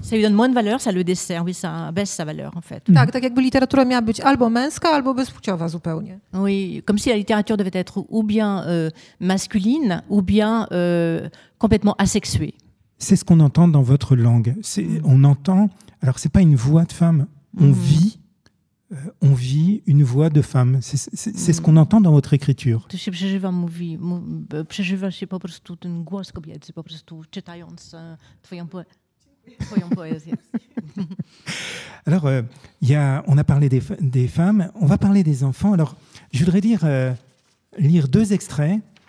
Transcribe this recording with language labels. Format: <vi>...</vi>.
<fr>Ça lui donne moins de valeur, ça le dessert, oui, ça baisse sa valeur, en fait. Mm-hmm.</fr> <pl>Tak, jakby literatura miała być albo męska, albo bezpłciowa zupełnie.</pl> <fr>Oui, comme si la littérature devait être ou bien... masculine ou bien complètement asexuée. C'est ce qu'on entend dans votre langue. C'est, on entend, alors c'est pas une voix de femme, on vit une voix de femme. C'est ce qu'on entend dans votre écriture.</fr> <pl>Przeżywam, c'est po prostu ten głos kobiety, c'est po prostu czytając twoją poezję.</pl> <fr>Alors, on a parlé des femmes, on va parler des enfants. Alors, je voudrais dire... lire deux extraits.</fr>